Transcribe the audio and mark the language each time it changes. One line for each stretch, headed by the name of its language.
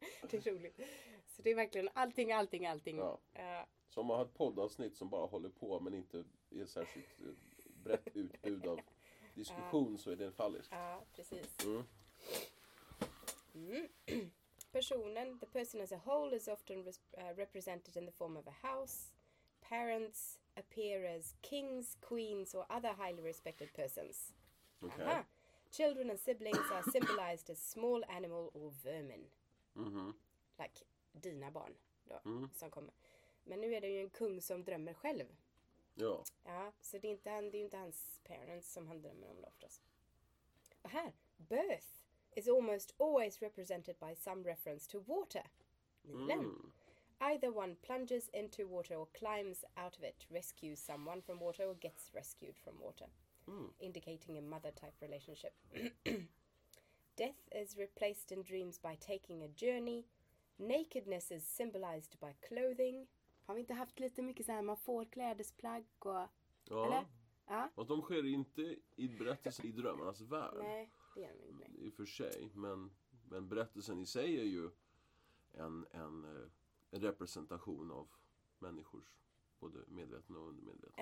Swedish: Det är roligt. Så det är verkligen allting. Ja. Så man har ett poddavsnitt som bara håller på men inte är särskilt brett utbud av diskussion så är det en phallus. Ja, precis. Mm. Personen,
English: the person as a whole is often represented in the form of a house. Parents appear as kings, queens or other highly respected persons. Okay. Aha. Children and siblings are symbolized as small animal or vermin. Mm-hmm. Like
Swedish: dina barn då, som kommer. Men nu är det ju en kung som drömmer själv. Ja. Ja, så det är inte hans parents som han drömmer om då förstås. Och här, birth.
English: Is almost always represented by some reference to water. Nilen. Mm. Either one plunges into water or climbs out of it, rescues someone from water or gets rescued from water, indicating a mother-type relationship. Death is replaced in dreams by taking a journey. Nakedness is symbolized by clothing.
Swedish: Har vi inte haft lite mycket så här, man får klädesplagg och... Ja. Eller? Ja. Och de sker inte i berättelse i drömmarnas värld. Nej. I och för sig, men berättelsen i sig är ju en representation av människors både medvetna och undermedvetna.